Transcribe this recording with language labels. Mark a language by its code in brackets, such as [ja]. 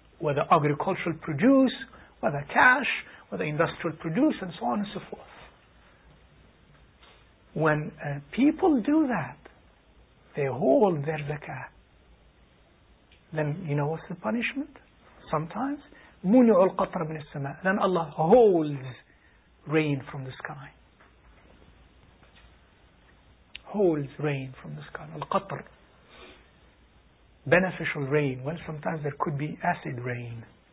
[en] Whether agricultural produce, whether cash, whether industrial produce, and so on and so forth. When people do that, they hold their zakah, then you know what's the punishment? Sometimes, [ar] مُنِعُ الْقَطْرَ مِنَ السَّمَاءِ. [en] Then Allah holds rain from the sky. Holds rain from the sky. Al-qatr. Beneficial rain. Well, sometimes there could be acid rain.